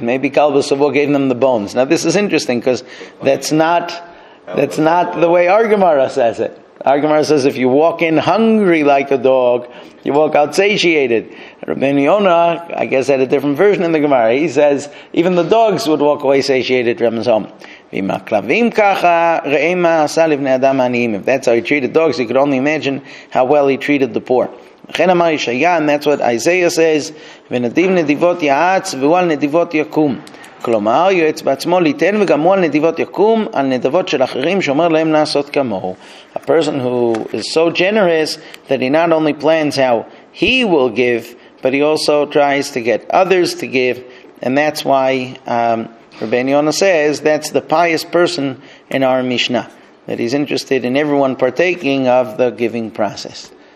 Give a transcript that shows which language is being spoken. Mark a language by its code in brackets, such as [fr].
[en] Maybe Kalba Savua gave them the bones. Now this is interesting, because that's not the way our Gemara says it. Our Gemara says if you walk in hungry like a dog, you walk out satiated. Rabbeinu Yonah, I guess, had a different version in the Gemara. He says even the dogs would walk away satiated from his home. [he] ואם הכלבים ככה, ראה מה עשה לבני אדם העניים. [en] If that's how he treated dogs, you could only imagine how well he treated the poor. [he] לכן אמר ישעיה, [en] and that's what Isaiah says, [he] ונדיב נדיבות יעץ, והוא על נדיבות יקום. כלומר, יועץ בעצמו ליתן וגם הוא על נדיבות יקום, על נדבות של אחרים שאומר להם לעשות כמוהו. [en] A person who is so generous that he not only plans how he will give, but he also tries to get others to give, and that's why Rabbeinu Yonah says that's the pious person in our Mishnah, that he's interested in everyone partaking of the giving process.